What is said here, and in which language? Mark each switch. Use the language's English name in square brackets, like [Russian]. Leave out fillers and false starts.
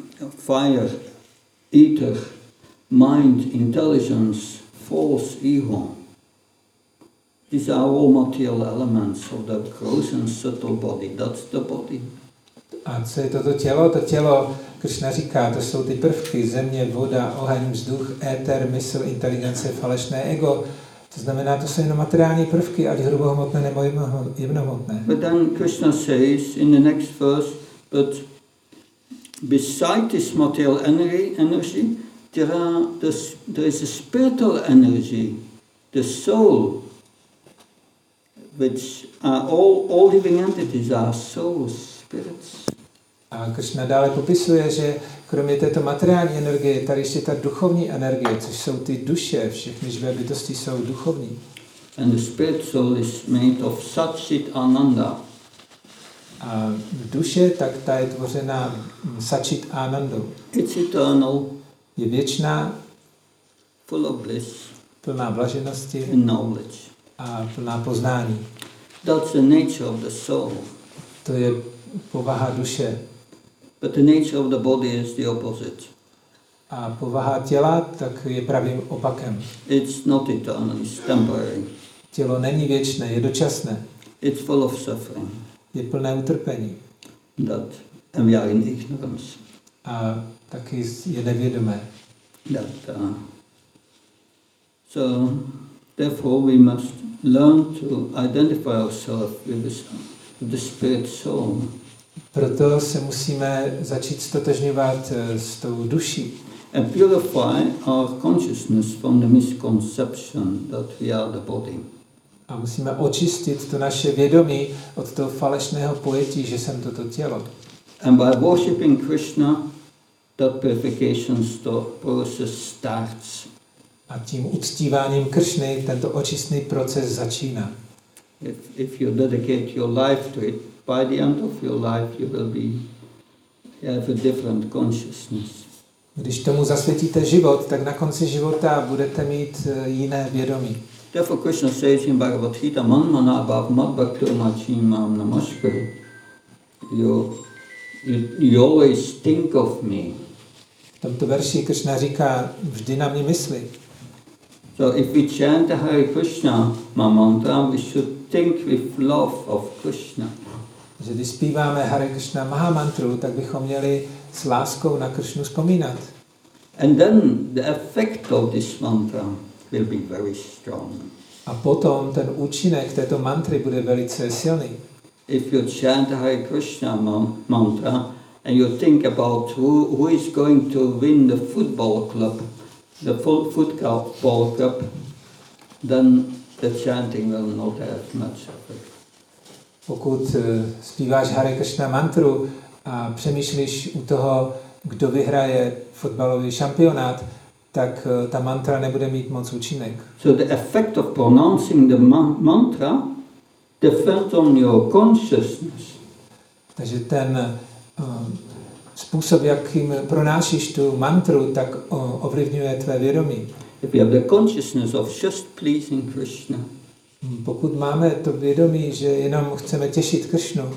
[English] fire, ether, mind, intelligence, force, ego. These are all material elements of the gross and subtle body. That's the body. [Czech] A co je toto tělo? To tělo, Krishna říká, to jsou ty prvky, země, voda, oheň, vzduch, éter, mysl, inteligence, falešné ego. To znamená, to jsou jenom materiální prvky, ať hrubohmotné nebo jemnohmotné. [English] But then Krishna says in the next verse, but beside this material energy, there is a spiritual energy, the soul, which all living entities are souls, spirits. [Czech] A Krishna dále popisuje, že kromě této materiální energie, tady ještě ta duchovní energie, což jsou ty duše, všechny živé bytosti jsou duchovní. [English] And the spirit soul is made of Satchit Ananda. [Czech] A duše, tak ta je tvořena Satchit Anandou. [English] It's eternal. [Czech] Je věčná. [English] Full of bliss. [Czech] Plná blaženosti. [English] And knowledge. [Czech] A plná poznání. [English] That's the nature of the soul. [Czech] To je povaha duše. [English] But the nature of the body is the opposite. [Czech] A povaha těla tak je pravým opakem. [English] It's not eternal, it's temporary. [Czech] Tělo není věčné, je dočasné. [English] It's full of suffering. [Czech] Je plné utrpení. [English] That, and we are in ignorance. [Czech] A taky je nevědomé. [English] That, so, therefore we must learn to identify ourselves with the spirit soul. [Czech] Proto se musíme začít stotožňovat s tou duší. [English] And purify our consciousness from the misconception that we are the body. [Czech] A musíme očistit to naše vědomí od toho falešného pojetí, že jsem toto tělo. [English] And by worshiping Krishna, that purification process starts. [Czech] A tím uctíváním Krishny tento očistný proces začíná. [English] If you dedicate your life to it, by the end of your life you will be have a different consciousness. [Czech] Když tomu zasvětíte život, tak na konci života budete mít jiné vědomí. [English] Therefore Krishna says in Bhagavad Gita, [Sanskrit] man mana bhav mat bhakti machim mam namaskar. [English] You always think of me. [Czech] V tomto verši Krishna říká, vždy na mě mysli. [English] So if we chant the Hare Krishna mantra, we should think with love of Krishna. [Czech] Že když zpíváme Hare Krishna maha mantru, tak bychom měli s láskou na Krishnu vzpomínat. [English] And then the effect of this mantra will be very strong. [Czech] A potom ten účinek této mantry bude velice silný. [English] If you chant the Hare Krishna mantra and you think about who is going to win the football club, the football cup, then the chanting will not have much effect. [Czech] Pokud zpíváš Hare Krishna mantru a přemýšlíš u toho, kdo vyhraje fotbalový šampionát, tak ta mantra nebude mít moc účinek. [English] So the effect of pronouncing the mantra depends on your consciousness. [Czech] Takže ten způsob, jakým pronášíš tu mantru, tak ovlivňuje tvé vědomí. [English] If you have the consciousness of just pleasing Krishna. [Czech] Pokud máme to vědomí, že jenom chceme těšit Krishnu.